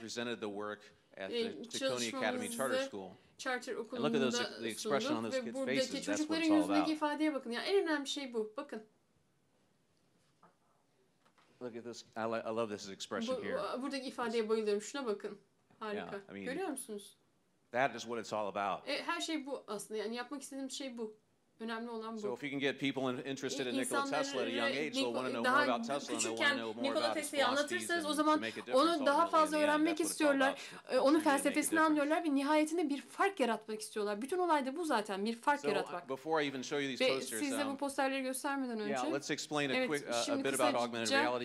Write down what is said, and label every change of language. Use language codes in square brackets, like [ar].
[en] Presented the work at the Taconi Academy Charter School. [tr] Charter Okulu'nda sunduk ve buradaki çocukların yüzündeki ifadeye bakın. Yani en önemli şey bu. Bakın. [en] Look at this. I love this expression here. [tr] Buradaki ifadeye bayılıyorum. Şuna bakın. Harika. [en] Yeah, I mean, [tr] görüyor musunuz? [en] That is what it's all about. [tr] Her şey bu aslında. Yani yapmak istediğim şey bu. Önemli olan bu. [en] So if you can get people interested in Nikola Tesla at a young age, they'll want to know more about Tesla, they'll want to know more about his philosophies and to make a difference. [tr] O zaman onu daha fazla öğrenmek istiyorlar, onun felsefesini anlıyorlar ve nihayetinde bir fark yaratmak istiyorlar. Bütün olay da bu zaten, bir fark yaratmak. [en] Before I even show you these posters, [tr] sizde bu posterleri göstermeden önce, [en] yeah, let's explain a quick bit about augmented reality.